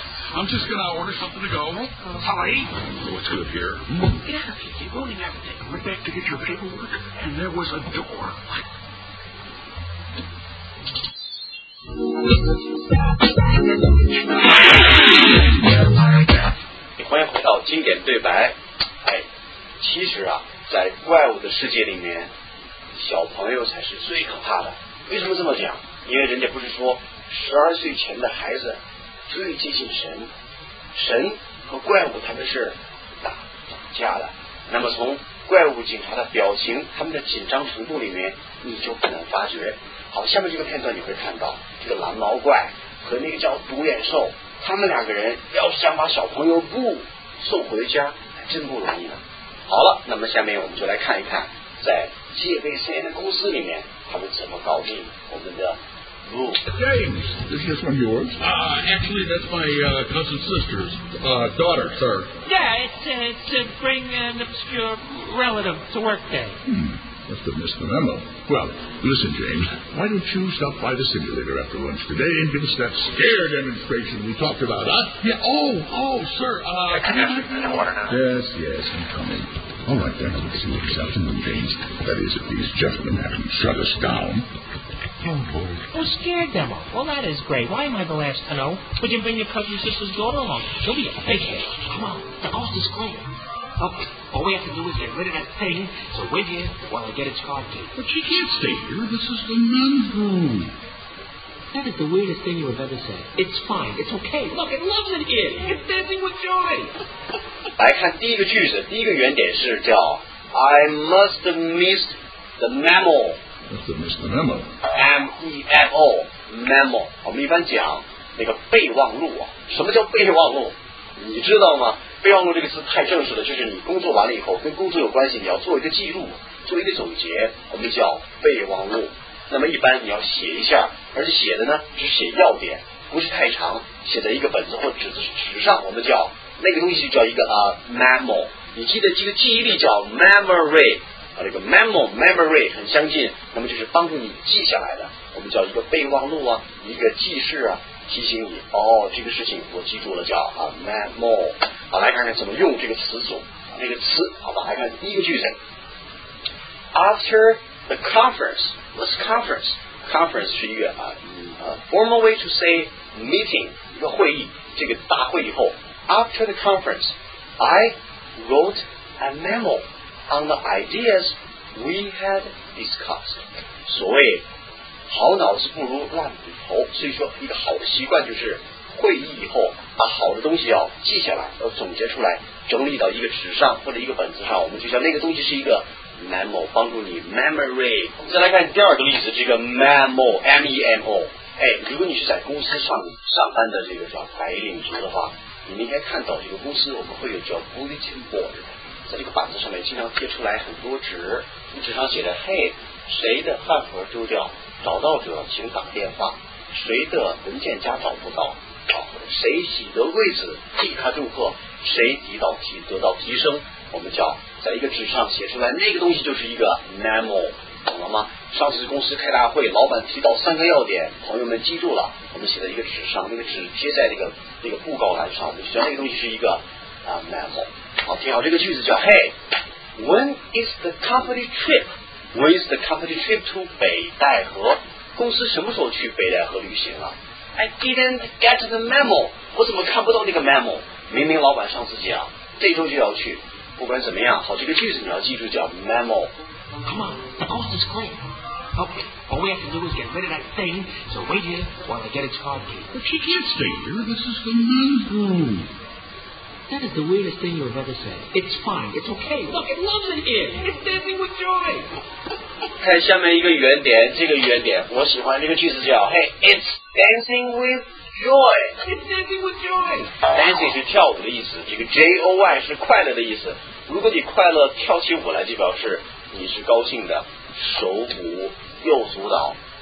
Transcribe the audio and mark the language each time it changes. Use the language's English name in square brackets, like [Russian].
[English] I'm just going to order something to go. Sully? What's good here? Get out of here. You're ruining everything. I went back to get your paperwork, and there was a door. What? [Chinese] Hey, 欢迎回到经典对白。哎，其实啊，在怪物的世界里面，小朋友才是最可怕的。为什么这么讲？因为人家不是说12岁前的孩子最接近神，神和怪物他们是打架的。那么从怪物警察的表情，他们的紧张程度里面，你就可能发觉。好，下面这个片段你会看到，这个蓝毛怪和那个叫独眼兽，他们两个人要想把小朋友布送回家，还真不容易呢。好了，那么下面我们就来看一看，在戒备森严的公司里面，他们怎么搞定我们的。 [English] James, is this one yours? Actually, that's my cousin's sister's daughter, sir. Yeah, it's to bring an obscure relative to work day. Must have missed the memo. Well, listen, James, why don't you stop by the simulator after lunch today and give us that scare demonstration we talked about, huh? Yeah, oh, sir. Yes, I'm coming. All right, then, I'll see you this afternoon, James. That is, if these gentlemen haven't shut us down. Oh, boy. Oh, scared demo. Well, that is great. Why am I the last to know? Would you bring your cousin sister's daughter along? She'll be a big hit. Come on. The coast is clear. Okay. All we have to do is get rid of that thing so we're here while I get its card key. But she can't stay here. This is the men's room. That is the weirdest thing you have ever said. It's fine. It's okay. Look, it loves it here. It's dancing with joy. [Chinese] 来看第一个句子。第一个原点是叫 [English] I must have missed the memo. That's the Mr. Memo. M-E-M-O. Memo. [Chinese] 我们一般讲那个备忘录啊。什么叫备忘录？你知道吗？备忘录这个词太正式了，就是你工作完了以后，跟工作有关系，你要做一个记录，做一个总结，我们叫备忘录。那么一般你要写一下，而且写的呢，只写要点，不是太长，写在一个本子或纸子纸上，我们叫那个东西叫一个memo。你记得这个记忆力叫 memory。这个 memory 很相近，那么就是帮助你记下来的，我们叫一个备忘录啊，一个记事啊，提醒你哦，这个事情我记住了，叫啊 memo。好，来看看怎么用这个词组，这个词，好吧，来看第一个句子。 [English] After the conference, what's conference? [Chinese] Conference 是一个 [English] formal way to say meeting, [Chinese] 一个会议，这个大会以后。 [English] After the conference, I wrote a memo. On the ideas we had discussed. [Chinese] 所谓好脑子不如烂骨头，所以说一个好的习惯就是会议以后把好的东西要记下来，要总结出来，整理到一个纸上或者一个本子上，我们就叫那个东西是一个 memo， 帮助你 memory。我们再来看第二个例子，这个 memo M-E-M-O、哎、如果你是在公司上班的这个叫白领族的话，你们应该看到这个公司我们会有叫 bulletin board，在这个板子上面经常贴出来很多纸，纸上写着嘿，谁的饭盒丢掉，找到者请打电话，谁的文件夹找不到，谁喜得贵子替他祝贺，谁得到提升，我们叫在一个纸上写出来，那个东西就是一个 memo， 懂了吗？上次公司开大会，老板提到三个要点，朋友们记住了，我们写在一个纸上，那个纸贴在那个布告栏上，我们说那个东西是一个memo。好，听好这个句子，叫 [English] Hey, when is the company trip? When is the company trip to 北戴河？ [Chinese] 公司什么时候去北戴河旅行啊？ [English] I didn't get the memo. [Chinese] 我怎么看不到那个 memo? 明明老板上次讲这周就要去。不管怎么样，好，这个句子你要记住，叫 memo。 [English] Come on, the coast is clear. Okay, all we have to do is get rid of that thing. So wait here while I get its card key. But she can't stay here. This is the men's room. That is the weirdest thing you have ever said. It's fine. It's okay. Look, it loves it here. It's dancing with joy. [Chinese] 看下面一个原点，这个原点，我喜欢这个句子叫 [English] Hey, it's dancing with joy. It's dancing with joy. [Chinese] Dancing 是跳舞的意思，这个 J-O-Y 是快乐的意思。如果你快乐跳起舞来，就表示你是高兴的，手舞右足蹈。